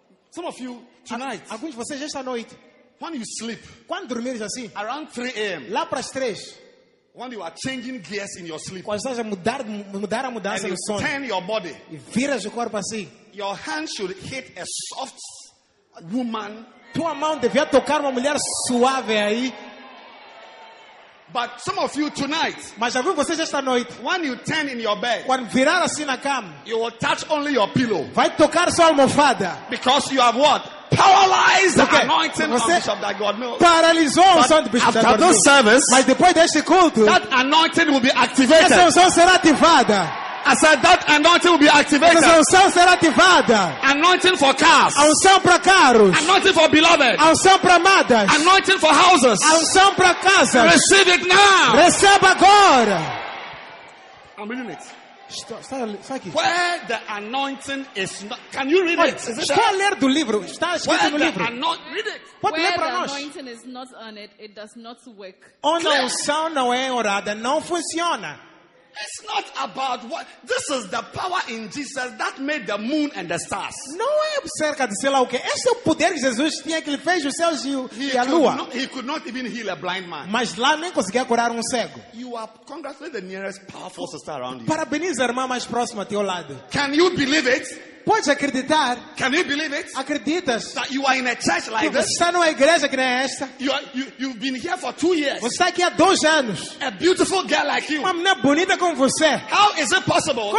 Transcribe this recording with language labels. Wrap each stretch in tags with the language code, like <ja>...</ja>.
<en>Some of you tonight,</en> <pt>alguns de vocês esta noite,</pt> <en>when you sleep,</en> <pt>quando dormires assim,</pt> <en>around 3 a.m.</en> <pt>lá para as 3,</pt> <en>when you are changing gears in your sleep,</en> <pt>quando estás a mudar a mudança no sono,</pt> <en>turn your body,</en> <pt>e viras o corpo assim.</pt> <en>Your hand should hit a soft woman.</en> <pt>Tua mão devia tocar uma mulher suave aí.</pt> <en>But some of you tonight,</en> <pt>mas alguns de vocês esta noite,</pt> <en>when you turn in your bed,</en> <pt>quando virar assim na cama,</pt> <en>you will touch only your pillow.</en> <pt>Vai tocar só a almofada.</pt> <en>Because you have what? Paralyzed the anointing of Bishop that God knows.</en> <pt>Paralisou o som do Bishop</pt> <en>after those service,</en> <pt>mas depois deste culto,</pt> <en>that anointing will be activated.</en> <pt>Essa unção será ativada.</pt> <en>I said that anointing will be activated.</en> <pt>Essa unção será ativada.</pt> <en>Anointing for cars.</en> <pt>Unção para carros.</pt> <en>Anointing for beloved.</en> <pt>Unção para amadas.</pt> <en>Anointing for houses.</en> <pt>Unção para casas.</pt> <en>Receive it now.</en> <pt>Receba agora.</pt> <en>I'm reading it. Stop. Where the anointing is not, can you read it?</en> <pt>Está a ler do livro. Está escrito</pt> <en>where</en> <pt>no livro.</pt> <en>Read it.</en> <pt>Pode ler para nós.</pt> <en>Where the anointing is not on it, it does not work.</en> <pt>Onde a unção não é orada, não funciona.</pt> <en>It's not about what. This is the power in Jesus that made the moon and the stars.</en> <pt>Não é acerca de sei lá o que. Esse é o poder que Jesus tinha que ele fez os céus e a lua.</pt> <en>He could not even heal a blind man.</en> <pt>Mas lá nem conseguia curar cego.</pt> <en>You are congratulate the nearest powerful sister around you.</en> <pt>Parabeniza a irmã mais próxima ao teu lado.</pt> <en>Can you believe it?</en> <pt>Pode acreditar?</pt> <en>Can you believe it?</en> <pt>Acreditas?</pt> <en>That you are in a church like</en> <pt>this? Você está numa igreja que nem esta?</pt> <en>You've been here for 2 years.</en> <pt>Você está aqui há 2 anos.</pt> <en>A beautiful girl like you.</en> <pt>Uma mulher bonita como você.</pt> <en>How is it possible?</en>